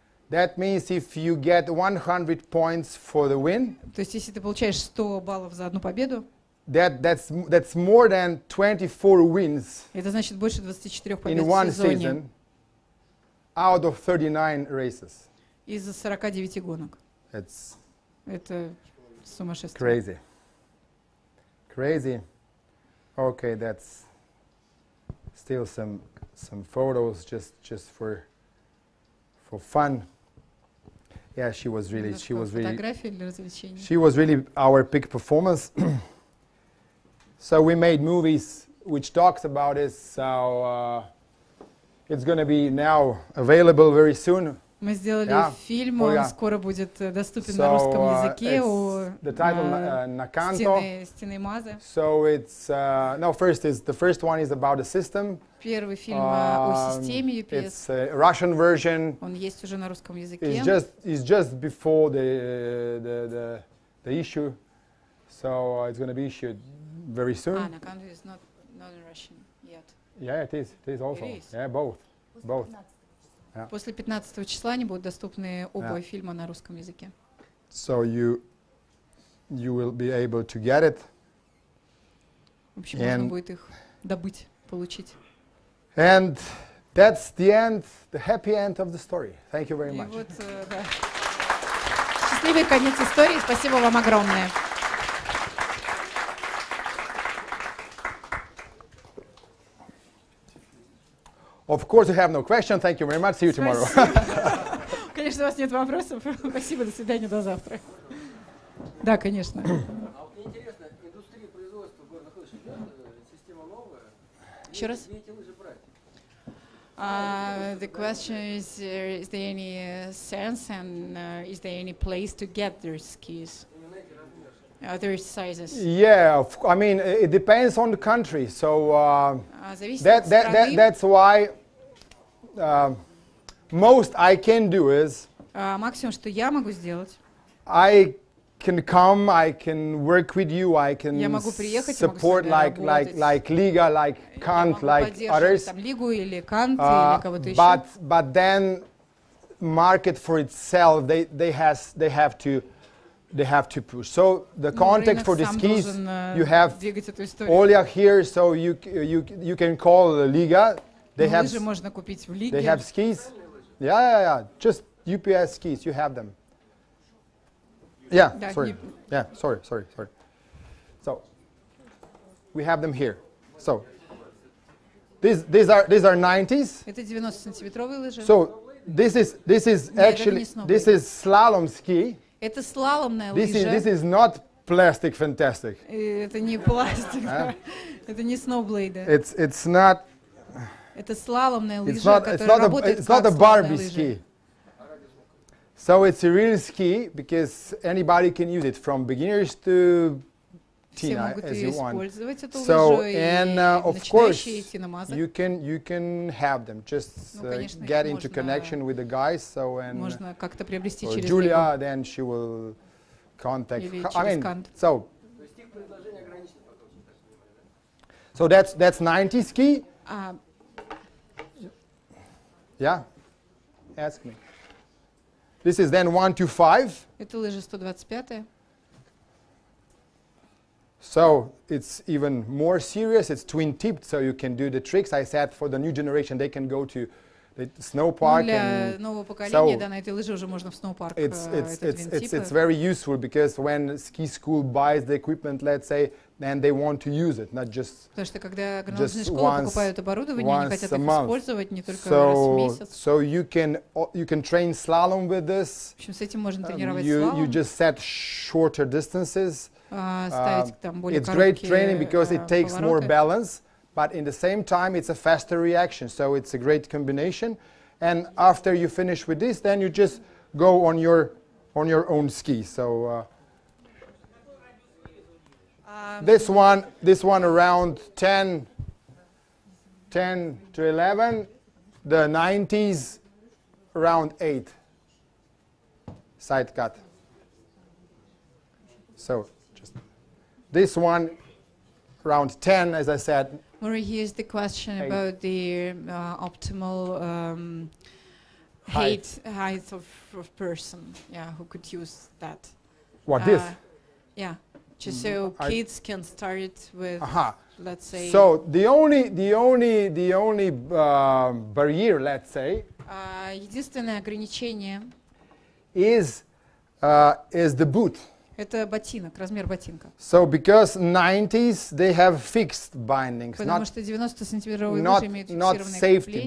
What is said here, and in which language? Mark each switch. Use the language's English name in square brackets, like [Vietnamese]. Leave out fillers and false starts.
[English] That means if you get 100 points for the win. [Russian] То есть если ты получаешь 100 баллов за одну победу. [English] That's more than 24 wins. [Russian] Это значит больше 24 побед [English] in [Russian] в сезоне. [English] In one season. Out of 39 races. [Russian] Из 49 гонок. [English] That's. [Russian] Это сумасшествие. [English] Crazy. Crazy. Okay, that's. Still some photos just for. for fun. Yeah, she was really, [Russian] немножко [English] she was really, [Russian] фотографии для развлечений. [English] She was really our peak performance. So we made movies which talks about this. So it's going to be now available very soon. [Russian] Мы сделали фильм, он скоро будет доступен на русском языке. [English] The title Наканто. [Russian] Стены Мазы. [English] So it's the first one is about the system. [Russian] Первый фильм о системе UPS. [English] It's a Russian version. [Russian] Он есть уже на русском языке. [English] It's just before the issue. So it's going to be issued very soon. Ah, Наканто is not in Russian yet. Yeah, it is. It is also. It is. Yeah, both. Yeah. [Russian] После 15 числа они будут доступны оба фильма на русском языке. [English] So you will be able to get it. [Russian] В общем, можно будет их добыть, получить. [English] And that's the end, the happy end of the story. Thank you very much. [Russian] Вот, счастливый конец истории. Спасибо вам огромное. [English] Of course you have no question. Thank you very much. See you tomorrow. [Russian] Конечно, у вас нет вопросов. Спасибо, до свидания, до завтра. Да, конечно. А вот мне интересно, индустрия производства горных лыж, система новая? Еще раз. [English] The question is there any sense and is there any place to get their skis? Other sizes. Yeah, I mean it depends on the country. So that's why most I can do is. [Russian] Максимум, что я могу сделать. [English] I can come. I can work with you. I can support like Liga, like Kant, like others. [Russian] Там, Лигу или Кант, или кого-то еще. [English] But then market for itself, they have to push. So the context for the skis, you have Olya here, so you can call the Liga. They have skis. Yeah. Just UPS skis. You have them. Yeah. Sorry. Yeah. Sorry. So we have them here. So these are 90s. So this is actually this is slalom ski. [Russian] Это слаломная лыжа. [English] This is not plastic fantastic. [Russian] Это не пластик. Это не сноублейды. [English] It's not. [Russian] Это слаломная лыжа, которая работает как слаломная лыжа. [English] It's not a Barbie ski. So it's a real ski because anybody can use it from beginners to teen as you want. So and of course you can have them. Just get into connection with the guys. So and Julia, then she will contact. I mean, so that's 90 ski. Yeah, ask me. This is then 125. [Russian] Это лыжа 125. [English] So it's even more serious. It's twin tipped, so you can do the tricks. I said for the new generation, they can go to the snow park. [Russian] Для нового поколения, да, на этой лыже уже можно в snow park. [English] It's very useful because when ski school buys the equipment, let's say, then they want to use it, not just. [Russian] Потому что когда горнолыжные школы покупают оборудование, они хотят их использовать не только раз в месяц. [English] So you can train slalom with this. [Russian] В общем, с этим можно тренировать [English] slalom. You just set shorter distances. It's great training because it takes more balance, but in the same time it's a faster reaction, so it's a great combination. And after you finish with this, then you just go on your own ski. So this one around 10 to 11, the 90s around 8 side cut. So this one, round 10, as I said. Murray, here's the question eight. About the optimal height of person, yeah, who could use that. What, this? Yeah, just so kids can start it with, let's say. So the only barrier, let's say. [Russian] Единственное ограничение. [English] Is the boot. [Russian] Это ботинок, размер ботинка. [English] So because 90s they have fixed bindings. [Russian] Потому что 90-сантиметровые лыжи имеют фиксированные крепления.